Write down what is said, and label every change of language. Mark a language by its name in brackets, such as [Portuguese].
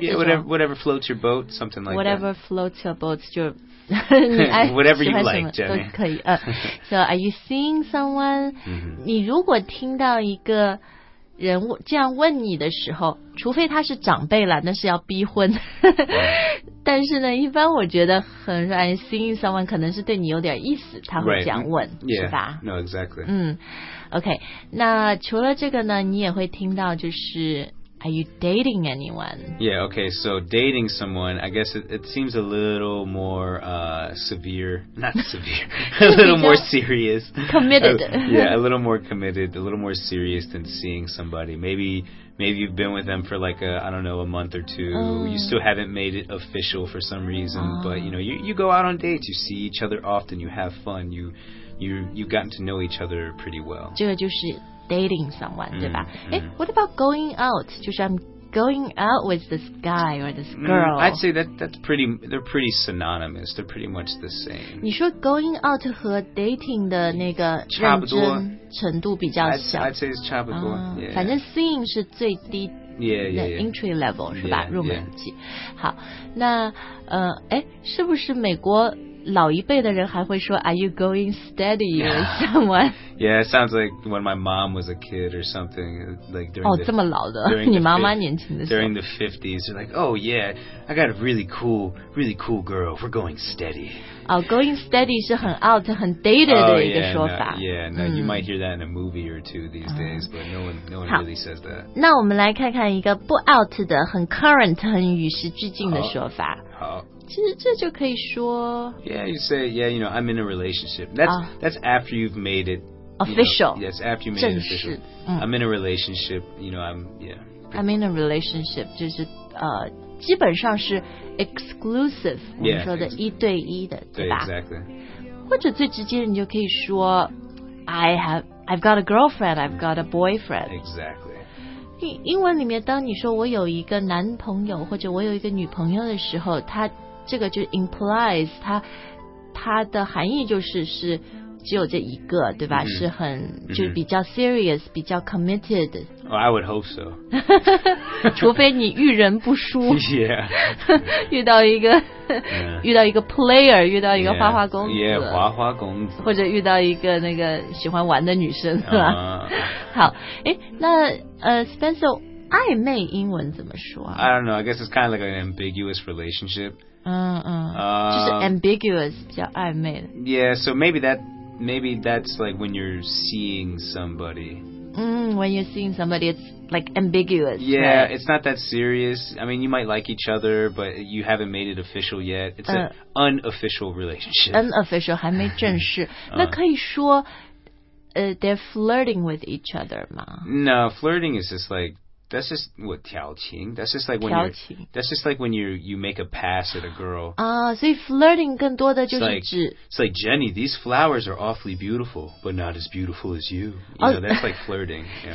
[English] Yeah, whatever floats your boat, something like whatever that. Whatever floats your boat, [Chinese] 就 [English] whatever you like, Jenny. [Chinese] 都可以。 [English] So are you seeing someone? [Chinese] 你如果听到一个人这样问你的时候，除非他是长辈了，那是要逼婚。但是呢，一般我觉得很 [English] I'm seeing someone [Chinese] 可能是对你有点意思，他会这样问， [English] right. yeah. [Chinese] 是吧 [English] ？No, exactly. OK. [Chinese] 那除了这个呢，你也会听到就是 [English] Are you dating anyone? Yeah. OK. So dating someone, I guess it seems a little more severe, a little more serious. Committed. yeah, a little more committed, a little more serious than seeing somebody. Maybe you've been with them for like a month or two. You still haven't made it official for some reason, but you know, you go out on dates, you see each other often, you have fun, you've gotten to know each other pretty well. [Chinese] 这个就是 [English] dating someone, [Chinese] 对吧？ [English] What about going out? [Chinese] 就是 [English] I'm going out with this guy or this girl. I'd say they're pretty synonymous. They're pretty much the same. [Chinese] 你说 [English] going out [Chinese] 和 dating 的那个差不多。程度比较小 [English] I'd say it's [Chinese] 差不多、 [English] yeah. [Chinese] 反正 seeing 是最低 [English] yeah. entry level [Chinese] 是吧 [English] yeah, [Chinese] 入门级、yeah. 好那是不是美国老一辈的人还会说 [English] Are you going steady with someone Yeah, it sounds like when my mom was a kid or something. Like during [Chinese] oh, 这么老的，你妈妈年轻的时候。 [English] During the 50s, they're like, oh yeah, I got a really cool, really cool girl. We're going steady. Oh, going steady [Chinese] 是很 out, 很 dated 的一个说法。 [English] Yeah, no, you might hear that in a movie or two these days, but no one really says that. [Chinese] 那我们来看看一个不 out 的，很 current, 很与时俱进的说法。好。其实这就可以说 [English] Yeah, you say, yeah, you know, I'm in a relationship. That's after you've made it official. You know, yes, after you made it official. I'm in a relationship, you know, I'm in a relationship, [Chinese] 就是基本上是 exclusive, 我们说的 [English] yeah, [Chinese] 一对一的，对吧？ [English] Exactly. [Chinese] 或者最直接的你就可以说 [English] I've got a girlfriend, I've got a boyfriend. Exactly. [Chinese] 英文里面当你说我有一个男朋友或者我有一个女朋友的时候它这个就 implies 它的含义就是是只有这一个对吧、 mm-hmm. 是很就比较 serious、 mm-hmm. 比较 committed、 [English] oh, I would hope so [Chinese] 除非你遇人不淑 [English] yeah [Chinese] 遇到一个、遇到一个 player 遇到一个花花公子 yeah 花花公子或者遇到一个那个喜欢玩的女生是吧、好那Spencer 暧昧英文怎么说、 [English] I don't know I guess it's kind of like an ambiguous relationship [Chinese] 嗯嗯就是 ambiguous 比较暧昧的 [English] yeah so maybe that's like when you're seeing somebody when you're seeing somebody it's like ambiguous yeah、 right? it's not that serious I mean you might like each other but you haven't made it official yet it's an unofficial relationship [Chinese] unofficial 还没正式那可以说 [English] they're flirting with each other [Chinese] 吗 [English] no flirting is just like that's just what [Chinese] 调情 [English] that's just like when you that's just like when you make a pass at a girl [Chinese] 啊、所以 flirting 更多的就是指 [English] it's like Jenny these flowers are awfully beautiful but not as beautiful as you you know that's like flirting you know?